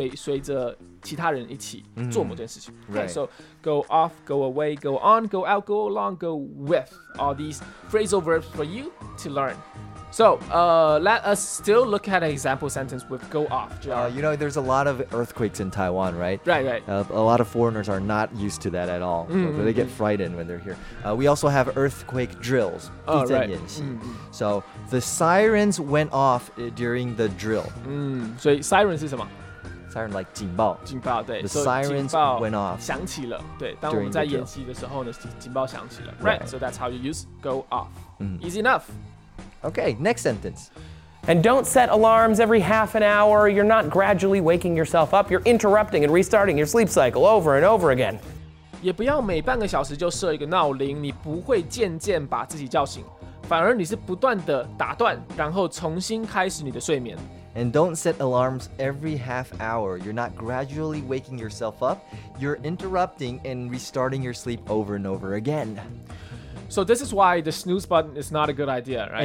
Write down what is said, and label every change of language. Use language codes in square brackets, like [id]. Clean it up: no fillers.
[zh] 随着其他人一起做某件事情。 [en] Mm-hmm. Right. So go off, go away, go on, go out, go along, go with. All these phrasal verbs for you to learn. So, let us still look at an example sentence with go off, Jr. You know, there's a lot of earthquakes in Taiwan, right? Right, right. A lot of foreigners are not used to that at all. Mm-hmm. So they get frightened when they're here. We also have earthquake drills. Oh, right. Mm-hmm. So, the sirens went off during the drill. So, sirens is [zh] 什么? [en] Siren, like 警报。 [zh] 警报,对。 [en] The sirens went off. [zh] 响起了。对,当我们在演习的时候呢,警报响起了。 [en] Right, so that's how you use go off. Mm-hmm. Easy enough. Okay, next sentence. And don't set alarms every half an hour. You're not gradually waking yourself up. You're interrupting and restarting your sleep cycle over and over again. [zh] 也不要每半个小时就设一个闹铃，你不会渐渐把自己叫醒，反而你是不断的打断，然后重新开始你的睡眠。 [en] And don't set alarms every half hour. You're not gradually waking yourself up. You're interrupting and restarting your sleep over and over again. So this is why the snooze button is not a good idea, right?